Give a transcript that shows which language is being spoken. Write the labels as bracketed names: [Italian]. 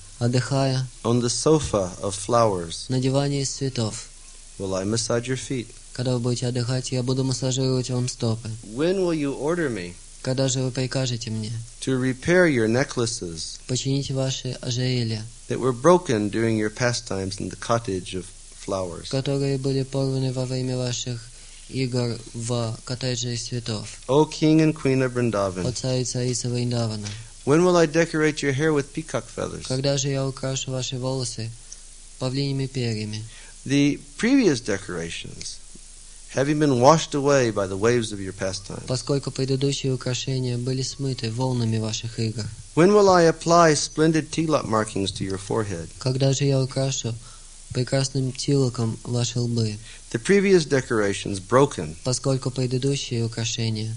[Russian] Отдыхая. [English] On the sofa of flowers. [Russian] На диване из цветов. [English] Will I massage your feet? [Russian] Когда вы будете отдыхать, я буду массажировать вам стопы. [English] When will you order me? [Russian] Когда же вы прикажете мне? [English] To repair your necklaces. [Russian] Почините ваши ожерелья. [English] That were broken during your pastimes in the cottage of flowers. [Russian] Которые были порваны во время ваших игр в коттедже из цветов. [English] O King and Queen of Vrindavan. [Russian] О царь и царица Вриндавана. [English] When will I decorate your hair with peacock feathers? [Russian] Когда же я украшу ваши волосы павлиньими перьями? [English] The previous decorations, having been washed away by the waves of your pastimes. [Russian] Поскольку предыдущие украшения были смыты волнами ваших игр. [English] When will I apply splendid tilak markings to your forehead? [Russian] Когда же я украшу прекрасным тилоком ваши лбы. [English] The previous decorations broken. [Russian] Поскольку предыдущие украшения.